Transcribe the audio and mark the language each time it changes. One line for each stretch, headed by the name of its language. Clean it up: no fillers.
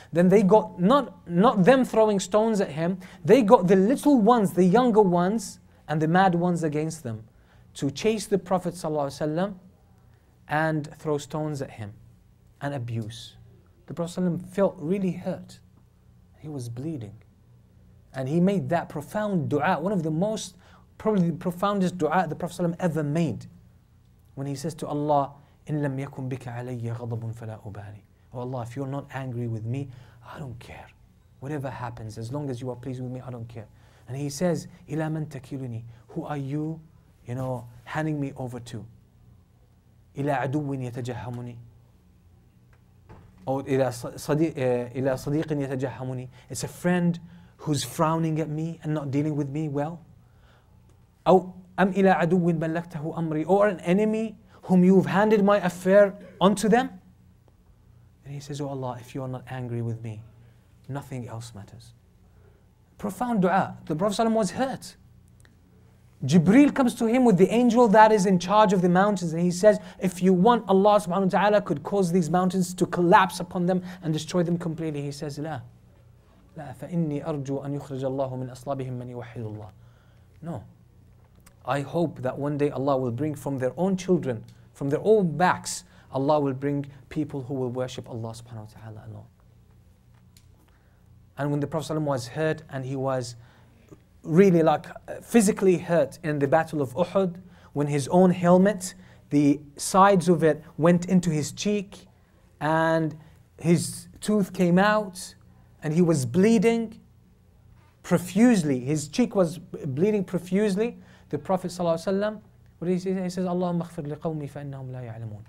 English: Then they got, not them throwing stones at him, they got the little ones, the younger ones, and the mad ones against them to chase the Prophet ﷺ and throw stones at him and abuse. The Prophet ﷺ felt really hurt. He was bleeding. And he made that profound dua, one of the most, probably the profoundest dua the Prophet ﷺ ever made. When he says to Allah,
Arabic: إِن لَمْ يَكُن بِكَ عَلَيَّ غَضَبٌ فَلَا أُبَالِي.
English: Oh Allah, if you're not angry with me, I don't care. Whatever happens, as long as you are pleased with me, I don't care. And he says,
Arabic: إِلَى مَن تَكِلُنِي.
English: Who are you, you know, handing me over to?
Arabic: إِلَى عَدُوٍ يَتَجَهَّمُنِي. Or إِلَى صَدِيقٍ يَتَجَهَّمُنِي.
English: It's a friend who's frowning at me and not dealing with me well.
Arabic: أو أم إِلَى عَدُوٍ بَلَّغْتَهُ أَمْرِي.
English: Or an enemy whom you've handed my affair onto them. And he says, oh Allah, if you are not angry with me, nothing else matters. Profound dua. The Prophet ﷺ was hurt. Jibreel comes to him with the angel that is in charge of the mountains and he says, if you want, Allah subhanahu wa ta'ala could cause these mountains to collapse upon them and destroy them completely.
Arabic: He says, لا. لا فإني أرجو أن يخرج الله من أصلابهم من يوحد الله.
English: No. I hope that one day Allah will bring from their own children, from their own backs, Allah will bring people who will worship Allah subhanahu wa ta'ala alone. And when the Prophet ﷺ was hurt and he was really like physically hurt in the battle of Uhud, when his own helmet, the sides of it went into his cheek and his tooth came out and he was bleeding profusely, his cheek was bleeding profusely, the Prophet ﷺ, what did he say? He says,
Arabic: Allahumma ighfir liqawmi fa'innahum la ya'lamun.